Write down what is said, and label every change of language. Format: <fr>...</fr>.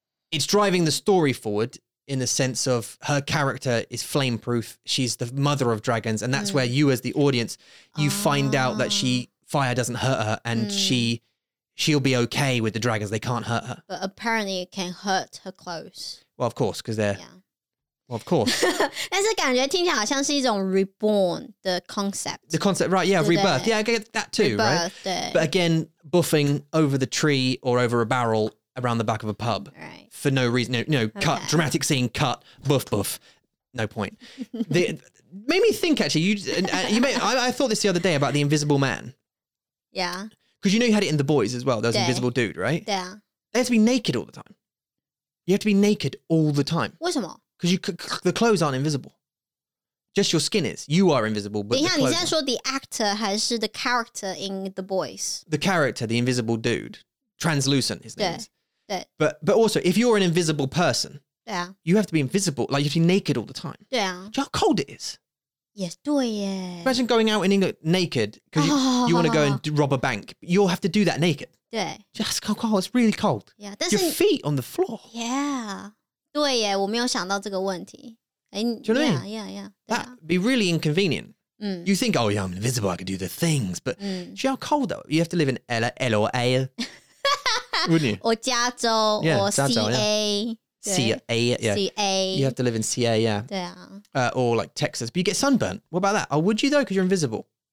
<en>It's driving the story forward in the sense of her character is flame proof. She's the mother of dragons. And that's where you as the audience, you find out that fire doesn't hurt her and she'll be okay with the dragons. They can't hurt her. But apparently it can hurt her clothes. Well, of course, because they're... Yeah. Well, of course.</en> <zh>但是感觉听起来好像是一种 reborn 的 concept.</zh> <en>The concept, right, yeah, rebirth. Yeah, I get that too, rebirth, right? Rebirth, but again, buffing over the tree or over a barrel around the back of a pub. Right. For no reason. You know, cut, dramatic scene, cut, buff, buff. No point. made me think, actually. I thought this the other day about the Invisible Man. Yeah. Because you know you had it in The Boys as well. There was an invisible dude, right? Yeah. They have to be naked all the time. You have to be naked all the time.</en> <zh>为什么?</zh> <en>Because the clothes aren't invisible. Just your skin is. You are invisible, but</en> <zh>等一下,</zh> <en>the clothes</en> <zh>你现在说</zh> <en>the actor</en> <zh>还是</zh> <en>the character in The Boys? The character, the invisible dude. Translucent, his name is. But also, if you're an invisible person, you have to be invisible. Like, you have to be naked all the time. Yeah. Do you know how cold it is? Yes,</en> <zh>对耶.</zh> <en>Imagine going out in England naked because you want to go and rob a bank. You'll have to do that naked.</en> <zh>对</zh> <en>，just cold, cold. It's really cold. Yeah,</en> <zh>但是</zh> <en>your feet on the floor. Yeah,</en> <zh>对耶，我没有想到这个问题。哎</zh> <en>，Do you know what I mean? Yeah, yeah, yeah. That'd be really inconvenient. You think, oh yeah, I'm invisible. I can do the things, but see how cold though. You have to live in L A, wouldn't you? Or</en> <zh>加州</zh> <en>yeah, or C A, C A, yeah, C A. You have to live in C A, yeah.</en> <zh>对啊。</zh> <en>Or like Texas, but you get sunburnt. What about that? Oh, would you though? Because you're invisible.</en>